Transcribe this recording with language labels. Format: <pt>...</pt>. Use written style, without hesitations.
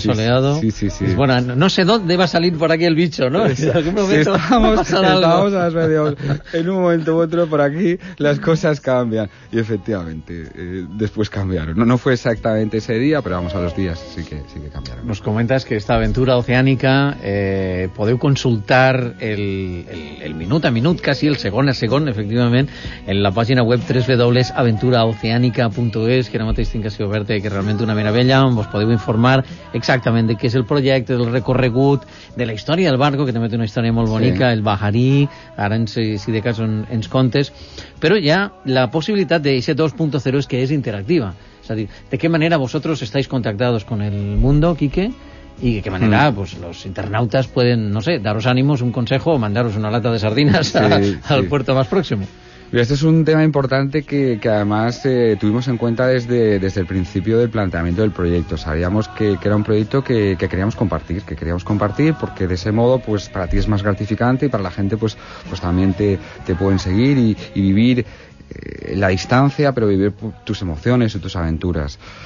<es>sí, soleado. Sí, sí, sí. Bueno, no sé dónde va a salir por aquí el bicho, ¿no? Sí, ¿en qué momento? Si estamos... pasar algo. Estábamos a las medias. En un momento u otro, por aquí, las cosas cambian. Y efectivamente, después cambiaron. No fue exactamente ese día, pero vamos, a los días sí que cambiaron. Nos comentas que esta aventura oceánica,</es> <ca>podeu consultar el minut a minut, casi el segon a segon, efectivament, en la pàgina web www.aventuraoceanica.es, que ara mateix tinc així oberta i que és realment una meravella, on vos podeu informar exactament de què és el projecte, del recorregut, de la història del barco, que també té una història molt bonica, sí. El Bahari, ara si de cas ens contes, però ja la possibilitat d'aquest 2.0 és que és interactiva, és a dir, de què manera vosaltres estàs contactats amb el món, Quique?</ca> <es>Y de qué manera, pues los internautas pueden, no sé, daros ánimos, un consejo o mandaros una lata de sardinas al puerto más próximo. Mira, este es un tema importante que además tuvimos en cuenta desde el principio del planteamiento del proyecto. Sabíamos que era un proyecto que queríamos compartir, porque de ese modo, pues para ti es más gratificante y para la gente, pues también te pueden seguir y vivir la distancia, pero vivir tus emociones y tus aventuras.</es>